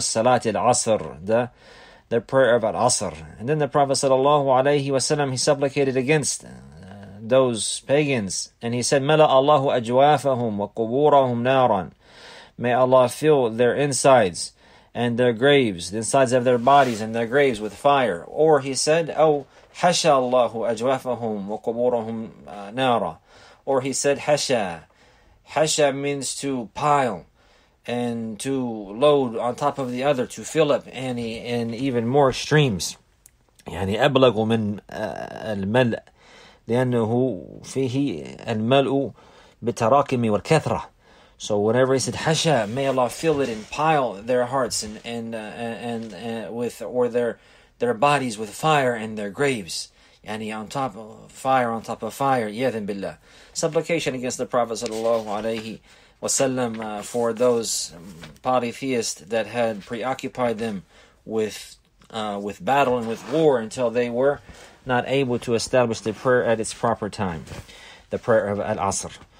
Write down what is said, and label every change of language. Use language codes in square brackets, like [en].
[en] Salat al-Asr, the prayer of al-Asr. And then the Prophet sallallahu alayhi wa sallam, he supplicated against those pagans. And he said, [ar] مَلَأَ اللَّهُ أَجْوَافَهُمْ وَقُبُورَهُمْ نَارًا, [en] may Allah fill their insides and their graves, the insides of their bodies and their graves with fire. Or he said, [ar] أَوْ حَشَى اللَّهُ أَجْوَافَهُمْ وَقُبُورَهُمْ نَارًا. [en] Or he said, حَشَى. Hasha means to pile and to load on top of the other, to fill up any and even more extremes. [ar] يعني أبلغ من الملء لأنه فيه الملء بتراكم والكثرة. [en] So whenever he said Hasha, may Allah fill it and pile their hearts and with their bodies with fire and their graves. Yani on top of fire, on top of fire, [ar] yadhan billah. [en] Supplication against the Prophet sallallahu alayhi wa sallam for those polytheists that had preoccupied them with battle and with war until they were not able to establish the prayer at its proper time, the prayer of al-Asr.